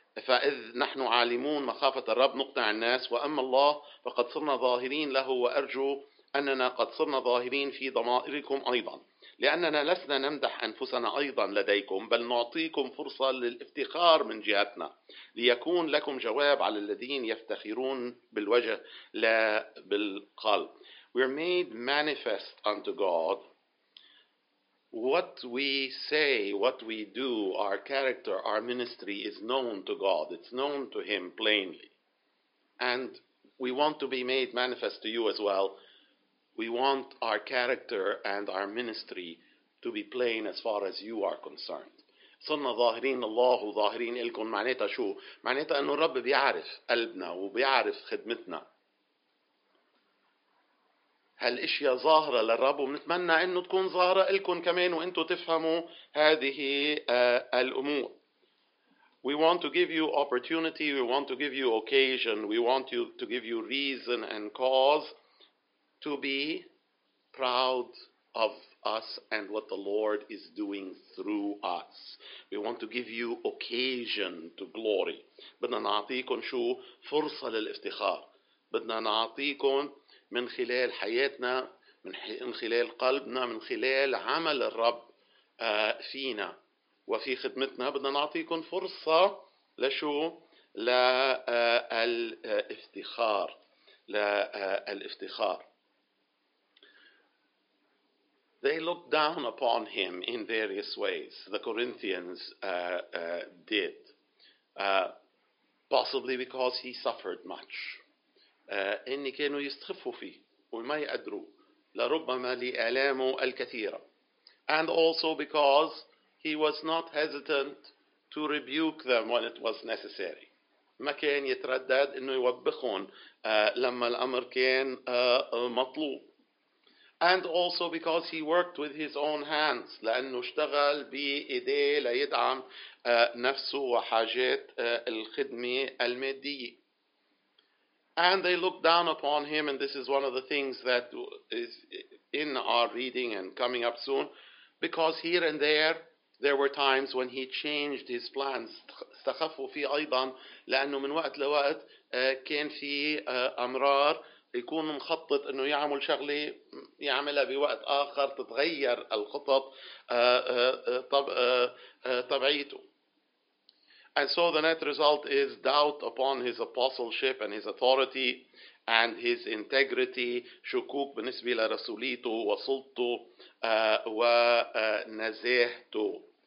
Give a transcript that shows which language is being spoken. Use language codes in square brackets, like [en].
[ar] فإذ نحن عالمون مخافة الرب نقطع الناس وأما الله فقد صرنا ظاهرين له وأرجو أننا قد صرنا ظاهرين في ضمائركم أيضا لأننا لسنا نمدح أنفسنا أيضا لديكم بل نعطيكم فرصة للافتخار من جهتنا ليكون لكم جواب على الذين يفتخرون بالوجه لا بالقلب. [en] We're made manifest unto God. What we say, what we do, our character, our ministry is known to God. It's known to him plainly. And we want to be made manifest to you as well. We want our character and our ministry to be plain as far as you are concerned. [ar] صرنا ظاهرين الله وظاهرين إلكم معناتها شو؟ معناتها أنه الرب بيعرف قلبنا وبيعرف خدمتنا. هالاشياء ظاهرة للرب ونتمنى انه تكون ظاهرة لكم كمان وانتو تفهموا هذه الامور. [en] We want to give you opportunity, we want to give you occasion, we want you to give you reason and cause to be proud of us and what the Lord is doing through us. We want to give you occasion to glory. [ar] بدنا نعطيكم شو فرصة للافتخار. بدنا نعطيكم من خلال حياتنا, من خلال قلبنا, من خلال عمل الرب فينا وفي خدمتنا, بدنا نعطيكم فرصة لشو؟ للافتخار. للافتخار. [en] They looked down upon him in various ways, the Corinthians did. Possibly because he suffered much. [ar] إني كانوا يستخفوا فيه وما يقدروا لربما لآلامه الكثيرة. [en] And also because he was not hesitant to rebuke them when it was necessary. [ar] ما كان يتردد إنه يوبخهم لما الأمر كان مطلوب. [en] And also because he worked with his own hands, [ar] لأنه اشتغل بإيديه ليدعم نفسه وحاجات الخدمة المادية. [en] And they looked down upon him, and this is one of the things that is in our reading and coming up soon, because here and there, there were times when he changed his plans. [ar] استخفوا فيه أيضا لأنه من وقت لوقت كان في أمرار يكون مخطط أنه يعمل شغلة يعملها بوقت آخر تتغير الخطط طبعيته. [en] And so the net result is doubt upon his apostleship and his authority and his integrity. [ar] شكوك بالنسبة لرسوليته وسلطته ونزاهته.